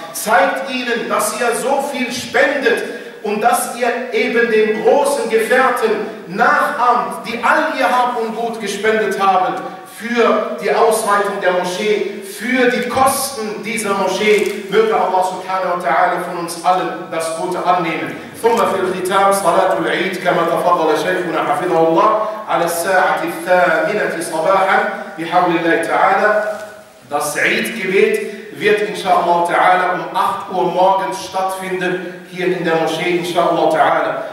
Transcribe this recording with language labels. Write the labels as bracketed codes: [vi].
[de] Zeigt ihnen, dass ihr so viel spendet und dass ihr eben den großen Gefährten nachahmt, die all ihr Hab und Gut gespendet haben, für die Ausweitung der Moschee, für die Kosten dieser Moschee. Möge Allah subhanahu wa ta'ala von uns allen das Gute annehmen. [ar] ثم في الختام صلاة العيد كما تفضل شيخنا حفظه الله على الساعة الثامنة صباحا بحول الله تعالى. [de] Das Eidgebet wird inshallah ta'ala um 8 Uhr morgens stattfinden hier in der Moschee inshallah ta'ala.